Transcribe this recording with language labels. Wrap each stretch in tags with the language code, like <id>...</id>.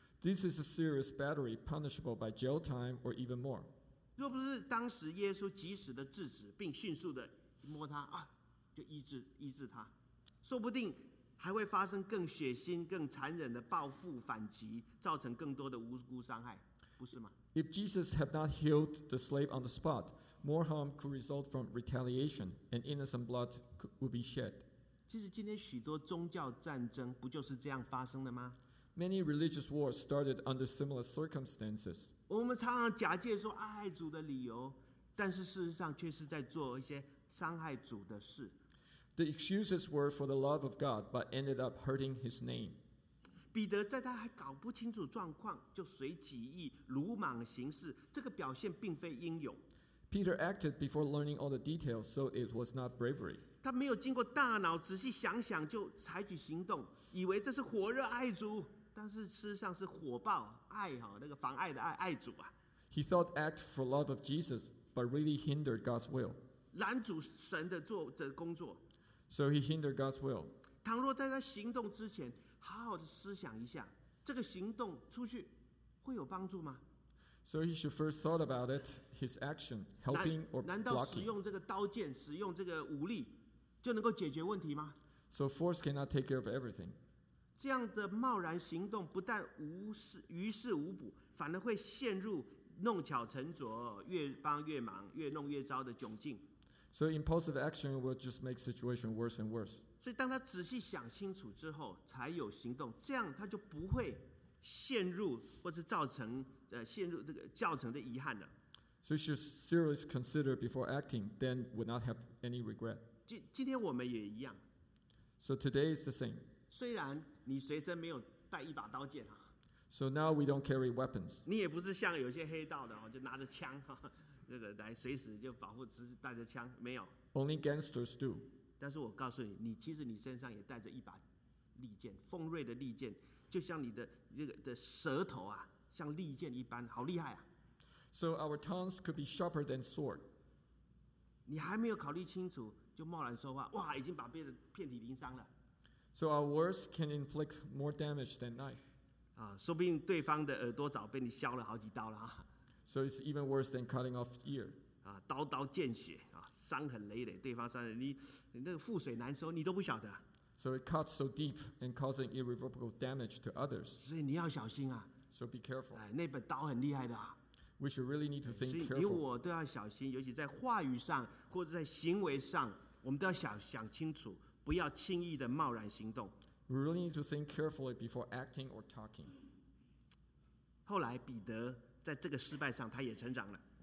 <en>？This is a serious battery, punishable by jail time or even more.</en> <zh>若不是当时耶稣及时的制止，并迅速的摸他啊，就医治他，说不定。还会发生更血腥、更残忍的报复反击，造成更多的无辜伤害，不是吗</zh> <en>？If Jesus had not healed the slave on the spot, more harm could result from retaliation, and innocent blood would be shed.</en> <zh>其实今天许多宗教战争不就是这样发生的吗</zh> <en>？Many religious wars started under similar circumstances.</en> <zh>我们常常假借说爱主的理由，但是事实上却是在做一些伤害主的事。</zh> <en>The excuses were for the love of God, but ended up hurting His name.</en> <zh>彼得在他还搞不清楚状况，就随己意、鲁莽行事，这个表现并非英勇。</zh> <en>Peter acted before learning all the details, so it was not bravery.</en> <zh>他没有经过大脑仔细想想就采取行动，以为这是火热爱主，但是事实上是火爆爱哈，那个妨碍的爱爱主啊。</zh> <en>He thought act for love of Jesus, but really hindered God's will.</en> <zh>拦阻神的做这工作。</zh> <en>So he hindered God's will.</en> <zh>倘若在他行动之前，好好的思想一下，这个行动出去会有帮助吗</zh> <en>？So he should first thought about it, his action, helping or blocking.</en> <zh>难道使用这个刀剑，使用这个武力就能够解决问题吗</zh> <en>？So force cannot take care of everything.</en> <zh>这样的贸然行动不但于事无补，反而会陷入弄巧成拙，越帮越忙，越弄越糟的窘境。</zh> <en>So impulsive action will just make situation worse and worse.</en> <zh>所以当他仔细想清楚之后，才有行动，这样他就不会陷入或是造成陷入这个造成的遗憾了。</zh> <en>So should seriously consider before acting, then would not have any regret.</en> <zh>今天我们也一样。</zh> <en>So today is the same.</en> <zh>虽然你随身没有带一把刀剑啊。</zh> <en>So now we don't carry weapons.</en> <zh>你也不是像有些黑道的哦，就拿着枪哈。这个来随时就保护，只是带着枪，没有。</zh> <en>Only gangsters do.</en> <zh>但是我告诉你，你其实你身上也带着一把利剑，锋锐的利剑，就像你的这个的舌头啊，像利剑一般，好厉害啊。</zh> <en>So our tongues could be sharper than sword.</en> <zh>你还没有考虑清楚就贸然说话，哇，已经把别人遍体鳞伤了。</zh> <en>So our words can inflict more damage than knife.</en> <zh>啊，说不定对方的耳朵早被你削了好几刀了啊。</zh> <en>So it's even worse than cutting off ear.</en> <zh>啊，刀刀见血啊，伤痕累累，对方伤痕，你那个覆水难收，你都不晓得。</zh> <en>So it cuts so deep and causing irreversible damage to others.</en> <zh>所以你要小心啊。</zh> <en>So be careful.</en> <zh>哎，那把刀很厉害的啊。</zh> <en>We should really need to think careful.</en> <zh>所以你我都要小心，尤其在话语上或者在行为上，我们都要想清楚，不要轻易的贸然行动。</zh> <en>We really need to think carefully before acting or talking.</en> <zh>后来彼得。在这个失败上，他也成长了。</zh>